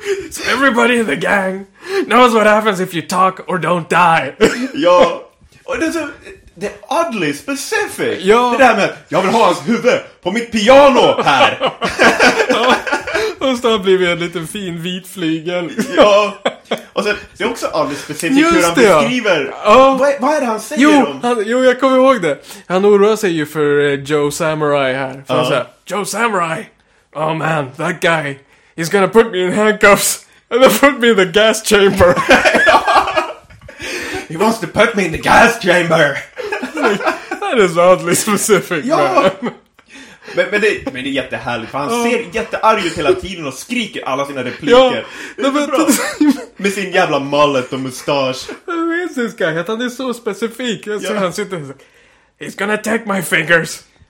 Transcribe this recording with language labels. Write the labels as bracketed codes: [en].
[en] So everybody in the gang knows what happens if you talk or don't die. [sv] Ja. Och det är [en] oddly specific. [sv] Ja. Det där med jag vill ha hans huvud på mitt piano här. Ja. Och så har blivit en liten fin vit flygel. Ja. Och sen, det är också alldeles specifikt hur han beskriver vad är det han säger Jo, jag kommer ihåg det. Han oroar sig ju för Joe Samurai här. För han säger, [en] Joe Samurai, oh man, that guy, he's gonna put me in handcuffs and then put me in the gas chamber. He wants to put me in the gas chamber. That is oddly specific. [sv] Ja. Men det är jättehärligt, för han ser jättearg ut hela tiden och skriker alla sina repliker. Ja, men med sin jävla mullet och mustasch. Jag minns det, ska jag, han är så specifik. Jag ser han sitter och säger, [en] he's gonna take my fingers.